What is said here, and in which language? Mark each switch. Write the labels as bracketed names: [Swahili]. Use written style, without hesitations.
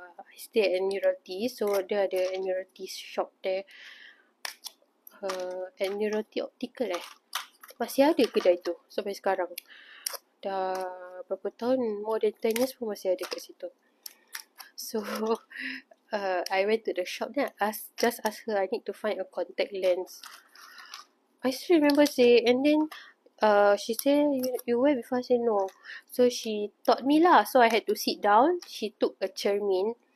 [English] I stay at Admiralty, so [Malay] dia ada [English] Admiralty shop there. Admiralty Optical eh. [Malay] Masih ada kedai tu sampai sekarang. Dah berapa tahun, [English] more than 10 years [Malay] pun masih ada kat situ. [English] So I went to the shop then just ask her I need to find a contact lens. I still remember say, and then she say you wear before, I say no. So she taught me lah. So I had to sit down. She took a chair mean.